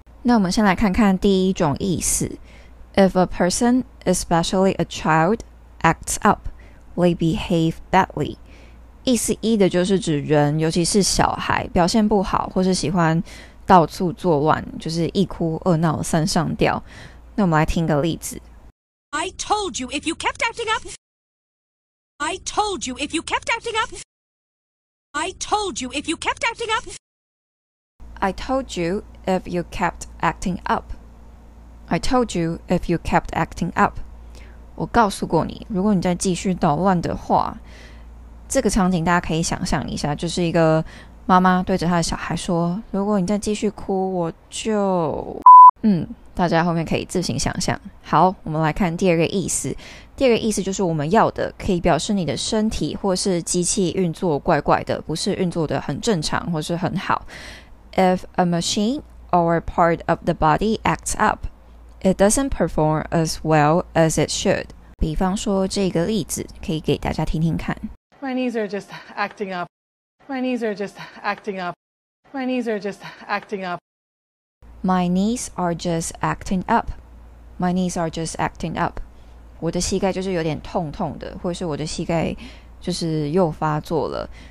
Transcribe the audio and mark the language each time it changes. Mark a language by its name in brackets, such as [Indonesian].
[Chinese] 那我们先来看看第一种意思 [English] ：If a person, especially a child, acts up, they behave badly。 [Chinese] 意思一的就是指人，尤其是小孩表现不好，或是喜欢到处作乱，就是一哭二闹三上吊。那我们来听个例子。 [English] I told you if you kept acting up. I told you if you kept acting up. I told you if you kept acting up. I told you if you kept acting up. I told you if you kept acting up. [Chinese] 我告诉过你，如果你再继续捣乱的话。这个场景大家可以想象一下，就是一个妈妈对着她的小孩说，如果你再继续哭，我就……大家后面可以自行想象。好，我们来看第二个意思。第二个意思就是我们要的，可以表示你的身体或是机器运作怪怪的，不是运作的很正常或是很好。 [English] If a machine or part of the body acts up, it doesn't perform as well as it should. [Chinese] 比方说这个例子，可以给大家听听看。 [English] My knees are just acting up. My knees are just acting up. My knees are just acting up. My knees are just acting up. My knees are just acting up. [Chinese] 我的膝盖就是有点痛痛的，或是我的膝盖就是又发作了。